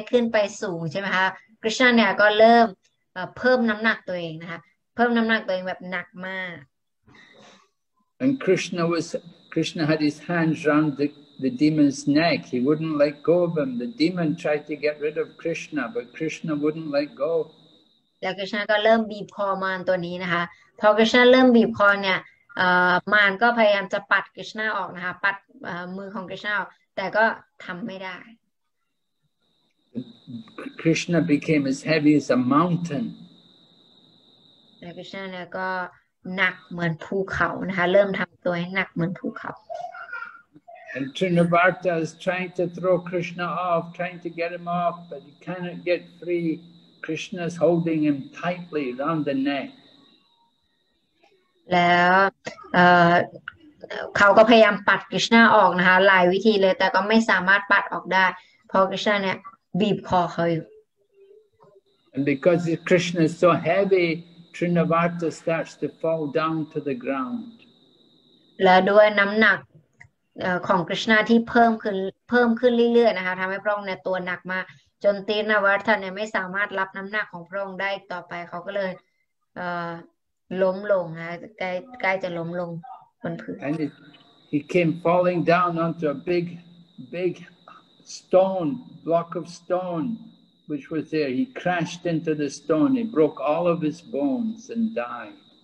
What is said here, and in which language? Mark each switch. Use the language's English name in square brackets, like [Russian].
[Thai] แล้วเวลามานตัวนี้ได้ขึ้นไปสูงใช่ไหมคะ Krishna เนี่ยก็เริ่ม เพิ่มน้ำหนักตัวเองนะคะ เพิ่มน้ำหนักตัวเองแบบหนักมาก [English] And Krishna had his hands round the demon's neck. He wouldn't let go of him. The demon tried to get rid of Krishna, but Krishna wouldn't let go. [Thai] แล้ว Krishna ก็เริ่มบีบคอมานตัวนี้นะคะ พอ Krishna เริ่มบีบคอเนี่ย มานก็พยายามจะปัด Krishna ออกนะคะ ปัด มือของ Krishna ออก แต่ก็ทำไม่ได้ [English] Krishna became as heavy as a mountain. [Thai] แล้ว Krishna เนี่ยก็หนักเหมือนภูเขานะคะ เริ่มทำตัวให้หนักเหมือนภูเขา [English] And Trnavarta is trying to throw Krishna off, trying to get him off, but he cannot get free. Krishna's holding him tightly around the neck. [Thai] แล้วเขาก็พยายามปัด Krishna ออกนะคะหลายวิธีเลยแต่ก็ไม่สามารถปัดออกได้ เพราะ Krishna เนี่ยบีบคอเขาอยู่ [English] And because Krishna is so heavy, Trinavarta starts to fall down to the ground. [Thai] แล้วด้วยน้ำหนักของ Krishna ที่เพิ่มขึ้นเรื่อยๆนะคะ ทำให้พระองค์เนี่ยตัวหนักมาก จนTrinavarta เนี่ยไม่สามารถรับน้ำหนักของพระองค์ได้ต่อไป เขาก็เลย ล้มลงนะใกล้จะล้มลงบนพื้น [English] And he came falling down onto a big, big stone, block of stone, which was there. He crashed into the stone. He broke all of his bones and died.